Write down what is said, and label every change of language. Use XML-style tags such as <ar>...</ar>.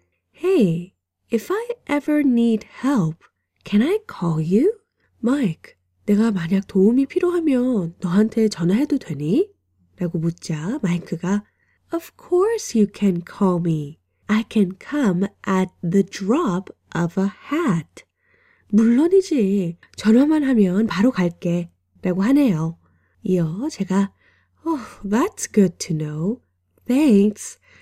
<en>Hey, if I ever need help, can I call you?</en> <ko>Mike, 내가 만약 도움이 필요하면 너한테 전화해도 되니? 라고 묻자 마이크가</ko> <en>Of course you can call me. I can come at the drop of a hat.</en> <ko>물론이지. 전화만 하면 바로 갈게. 라고 하네요. 이어 제가</ko> <en>Oh, that's good to know. Thanks.</en>